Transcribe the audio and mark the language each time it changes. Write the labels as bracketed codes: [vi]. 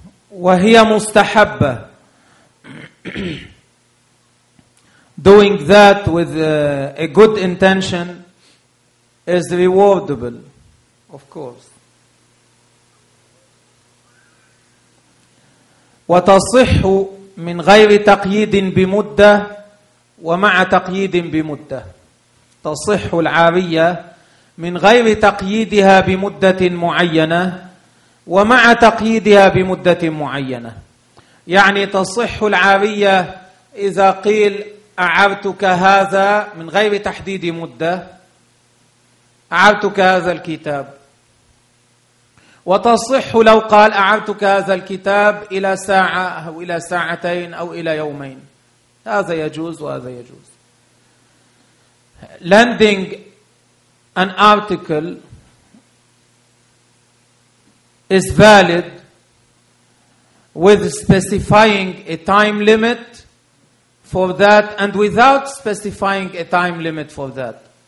[ar] وهي مستحبة. [en] Doing that with a good intention is rewardable, of course. [ar] وتصح من غير تقييد بمدة ومع تقييد بمدة. تصح العارية من غير تقييدها بمدة معينة ومع تقييدها بمدة معينة. يعني تصح العارية إذا قيل أعرتك هذا من غير تحديد مدة، أعرتك هذا الكتاب، وتصح لو قال أعرتك هذا الكتاب إلى ساعة أو إلى ساعتين أو إلى يومين، هذا يجوز وهذا يجوز. [en] Lending an article is valid with specifying a time limit for that and without specifying a time limit for that.